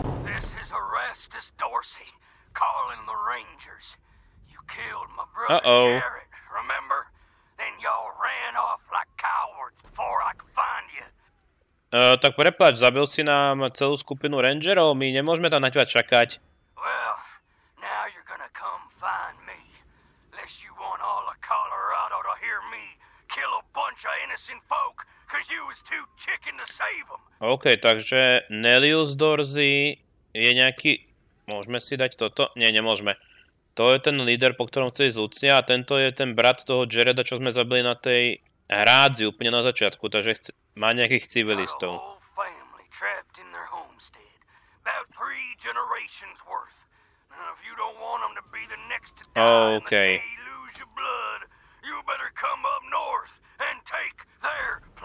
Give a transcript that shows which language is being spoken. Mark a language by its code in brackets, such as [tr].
[en] This is Arrestus Dorsey, calling the Rangers. You killed my brother Jarrett, remember? Then y'all ran off like cowards before I could find you. [sk] Tak prepáč, zabil si nám celú skupinu Rangerov, my nemôžeme tam na teba čakať. [en] Well, now you're gonna come find me. Unless you want all of Colorado to hear me kill a bunch of innocent folk. Cause you was too chicken to save him. [sk] OK, takže Nelius Dorsey je nejaký... Môžeme si dať toto? Nie, nemôžeme. To je ten líder, po ktorom chce ísť Lucia, a tento je ten brat toho Jareda, čo sme zabili na tej hrádzi úplne na začiatku, takže má nejakých civilistov. [en] Our whole family trapped in their homestead. About three generations worth. And if you don't want them to be the next to die, okay. And they lose your blood, you better come up north and take their...